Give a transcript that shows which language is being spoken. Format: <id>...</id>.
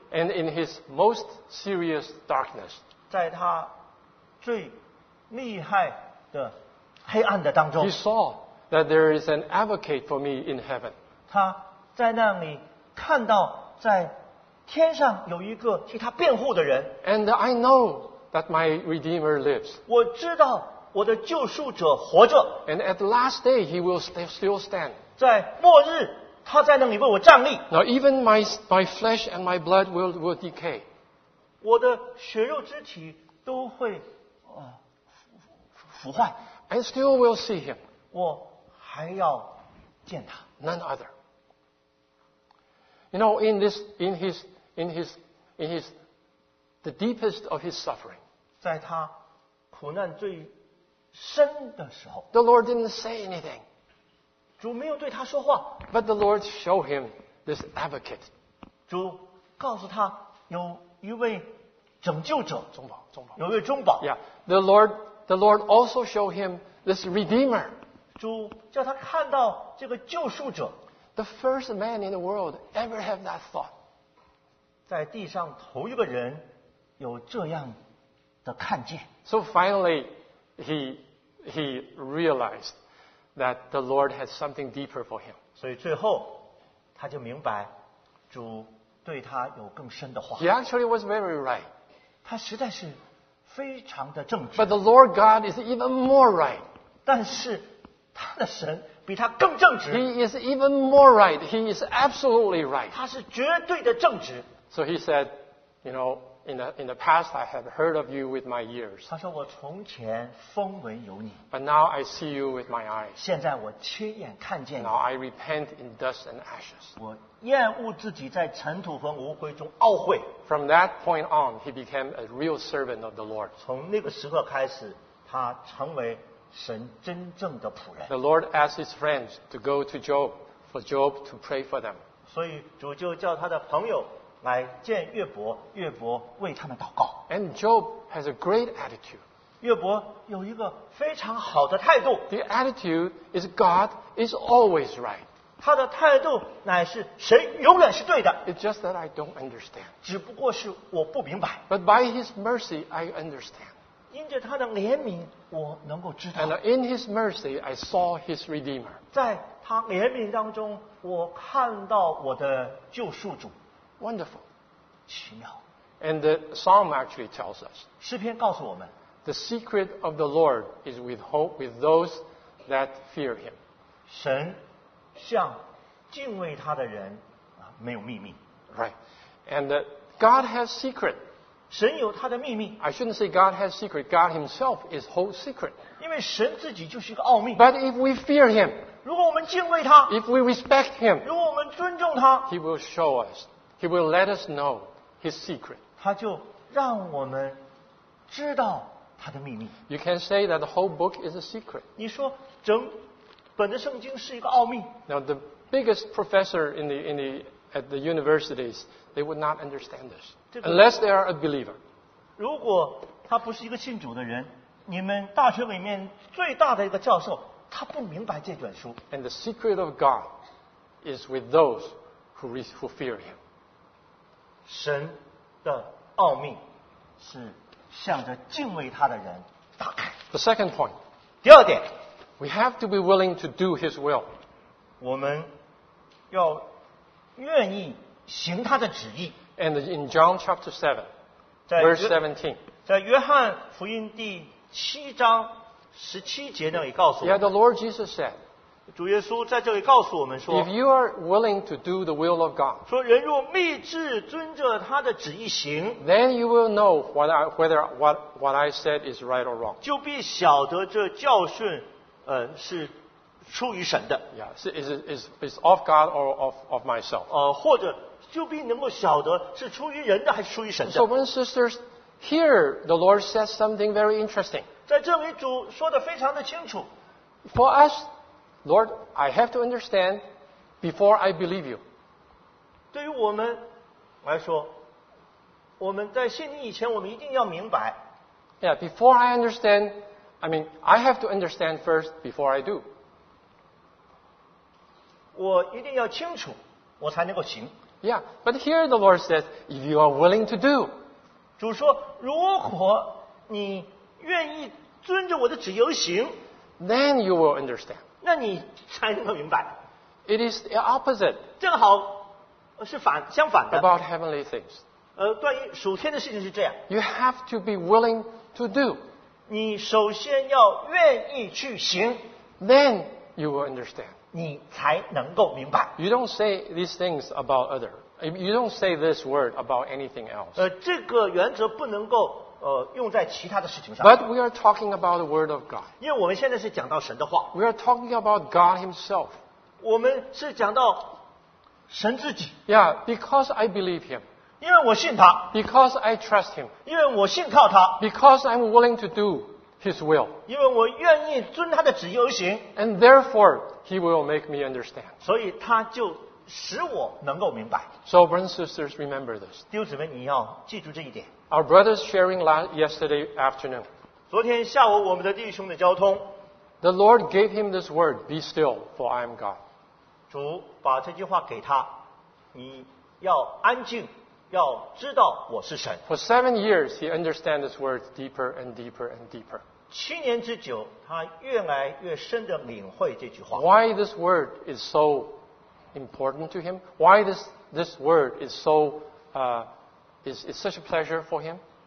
<en>And in his most serious darkness.</en> <zh>在他最厉害的黑暗的当中。</zh> <en>He saw that there is an advocate for me in heaven.</en> <zh>他在那里看到在天上有一个替他辩护的人。</zh> <en>And I know that my Redeemer lives.</en> <zh>我知道我的救赎者活着。</zh> <en>And at the last day, he will still stand.</en> <zh>在末日，他在那里为我站立。</zh> <en>Now even my flesh and my blood will decay.</en> <zh>我的血肉之体都会腐坏。</zh> <en>I still will see him.</en> <zh>我还要见他。</zh> <en>None other. You know, in his the deepest of his suffering,</en> <zh>在他苦难最深的时候。</zh> <en>The Lord didn't say anything.</en> <zh>主没有对他说话。</zh> <en>But the Lord showed him this advocate.</en> <zh>主告诉他有一位拯救者。中保，中保。有一位中保。 Yeah.</zh> <en>The Lord also showed him this redeemer.</en> <zh>主叫他看到这个救赎者。</zh> <en>The first man in the world ever have that thought.</en> <zh>在地上头一个人有这样的看见。</zh> <en>So finally, he realized that the Lord had something deeper for him.</en> <zh>所以最后他就明白主对他有更深的话。</zh> <en>He actually was very right.</en> <zh>他实在是非常的正直。</zh> <en>But the Lord God is even more right.</en> <zh>但是他的神比他更正直。</zh> <en>He is even more right. He is absolutely right.</en> <zh>他是绝对的正直。</zh> <en>So he said, you know, in the past, I have heard of you with my ears.</en> <zh>他说我从前风闻有你。</zh> <en>But now I see you with my eyes.</en> <zh>现在我亲眼看见你。</zh> <en>Now I repent in dust and ashes.</en> <zh>我厌恶自己在尘土和污秽中懊悔。</zh> <en>From that point on, he became a real servant of the Lord.</en> <zh>从那个时刻开始，他成为神真正的仆人。</zh> <en>The Lord asked his friends to go to Job for Job to pray for them.</en> <zh>所以主就叫他的朋友来见约伯，约伯为他们祷告。</zh> <en>And Job has a great attitude.</en> <zh>约伯有一个非常好的态度。</zh> <en>The attitude is God is always right.</en> <zh>他的态度乃是神永远是对的。</zh> <en>It's just that I don't understand.</en> <zh>只不过是我不明白。</zh> <en>But by his mercy, I understand.</en> <zh>因着他的怜悯，我能够知道。</zh> <en>And in his mercy, I saw his redeemer.</en> <zh>在他怜悯当中，我看到我的救赎主。</zh> <en>Wonderful.</en> <zh>奇妙。</zh> <en>And the psalm actually tells us.</en> <zh>诗篇告诉我们。</zh> <en>The secret of the Lord is with hope with those that fear him.</en> <zh>神向敬畏他的人没有秘密。</zh> <en>Right. And God has secret.</en> <zh>神有他的秘密。</zh> <en>I shouldn't say God has secret. God himself is whole secret.</en> <zh>因为神自己就是一个奥秘。</zh> <en>But if we fear him.</en> <zh>如果我们敬畏他。</zh> <en>If we respect him.</en> <zh>如果我们尊重他。</zh> <en>He will show us. He will let us know his secret.</en> <zh>他就让我们知道他的秘密。</zh> <en>You can say that the whole book is a secret.</en> <zh>你说整本的圣经是一个奥秘。</zh> <en>Now the biggest professor at the universities, they would not understand this. Unless they are a believer.</en> <zh>如果他不是一个信主的人，你们大学里面最大的一个教授，他不明白这卷书。</zh> <en>And the secret of God is with those who fear him.</en> <zh>神的奥秘是向着敬畏他的人打开。</zh> <en>The second point.</en> <zh>第二点。</zh> <en>We have to be willing to do his will.</en> <zh>我们要愿意行他的旨意。</zh> <en>And in John chapter 7, verse 17.</en> <zh>在约翰福音第七章十七节那里告诉我们。</zh> <en>Yeah, the Lord Jesus said.</en> <zh>主耶稣在这里告诉我们说</zh> <en>If you are willing to do the will of God,</en> <zh>说人若立志遵着他的旨意行</zh> <en>then you will know whether what I said is right or wrong.</en> <zh>就必晓得这教训是出于神的。</zh> <en>Yeah, is of God or of myself.</en> <zh>或者就必能够晓得是出于人的还是出于神的。</zh> <en>So when sisters hear the Lord says something very interesting.</en> <zh>在这里主说得非常的清楚。</zh> <en>For us,Lord, I have to understand before I believe you.</en> <zh>对于我们来说，我们在信你以前，我们一定要明白。</zh> <en>Yeah, before I understand, I mean, I have to understand first before I do.</en> <zh>我一定要清楚，我才能够行。</zh> <en>Yeah, but here the Lord says, if you are willing to do.</en> <zh>主说，如果你愿意遵着我的旨意而行，</zh> <en>then you will understand.</en> <zh>那你才能够明白。</zh> <en>It is the opposite.</en> <zh>正好是反相反的。</zh> <en>About heavenly things.</en> <zh>关于属天的事情是这样。</zh> <en>You have to be willing to do.</en> <zh>你首先要愿意去行。</zh> <en>Then you will understand.</en> <zh>你才能够明白。</zh> <en>You don't say these things about other. You don't say this word about anything else.</en> <zh>这个原则不能够用在其他的事情上。</zh> <en>But we are talking about the word of God.</en> <zh>因为我们现在是讲到神的话。</zh> <en>We are talking about God himself.</en> <zh>我们是讲到神自己。</zh> <en>Yeah, because I believe him.</en> <zh>因为我信他。</zh> <en>Because I trust him.</en> <zh>因为我信靠他。</zh> <en>Because I'm willing to do His will.</en> <zh>因为我愿意遵他的旨意而行,</zh> <en>and therefore, He will make me understand.</en> <zh>所以他就使我能够明白。</zh> <en>So, brothers and sisters, remember this.</en> <zh>弟兄姊妹,你要记住这一点。</zh> <en>Our brothers sharing yesterday afternoon.</en> <zh>昨天下午我们的弟兄的交通,</zh> <en>the Lord gave him this word, be still, for I am God.</en> <zh>主把这句话给他, 你要安静。要知道我是神。</zh> <en>For 7 years, he understands this word deeper and deeper and deeper.</en> <zh>7年之久, 他越来越深地领会这句话。</zh> <en>Why this word is so important to him? Why this word is so is such a pleasure for him?</en>